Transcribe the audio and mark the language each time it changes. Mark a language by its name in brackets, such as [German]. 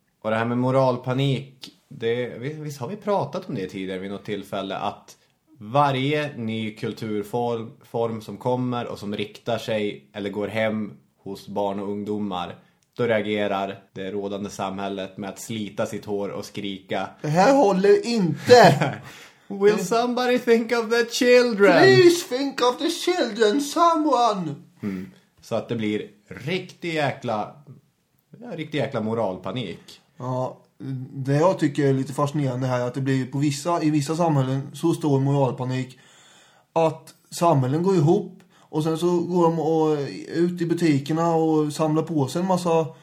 [Swedish] Och det här med moralpanik, det, visst har vi pratat om det tidigare vid något tillfälle, att varje ny kulturform som kommer och som riktar sig eller går hem hos barn och ungdomar, då reagerar det rådande samhället med att slita sitt hår och skrika: det här håller inte! [English] Will somebody think of the children? Please think of the children, someone! Mm. [Swedish] Så att det blir riktig jäkla moralpanik. Ja. Det jag tycker är lite fascinerande här är att det blir på i vissa samhällen så stor moralpanik att samhällen går ihop och sen så går de ut i butikerna och samlar på sig en massa